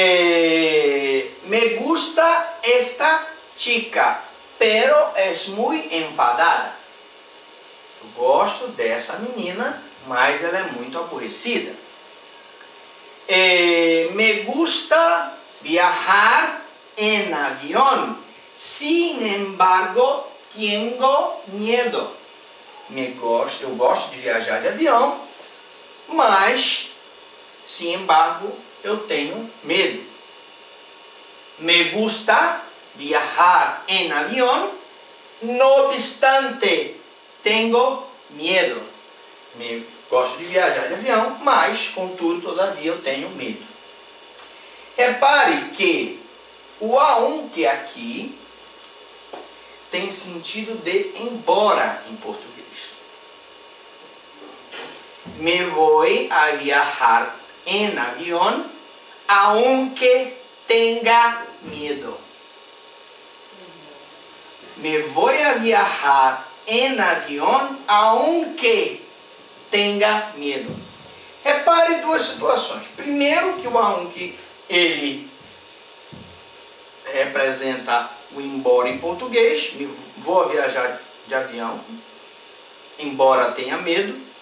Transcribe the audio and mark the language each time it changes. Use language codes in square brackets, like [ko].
[es] Me gusta esta chica, pero es muy enfadada. [pt] Eu gosto dessa menina, mas ela é muito aborrecida. [es] Me gusta viajar en avión. Sin embargo, tengo miedo. [pt] Eu gosto de viajar de avião, mas, [es] sin embargo, [pt] eu tenho medo. [es] Me gusta viajar en avión. No obstante, tengo miedo. [pt] Gosto de viajar de avião, mas, contudo, todavia, eu tenho medo. Repare que o aunque aqui tem sentido de embora em português. [es] Me voy a viajar en avión, aunque tenga miedo. Me voy a viajar en avión, aunque tenga medo. [pt] Repare duas situações. Primeiro que o aunque, ele representa o embora em português. Vou viajar de avião, embora tenha medo.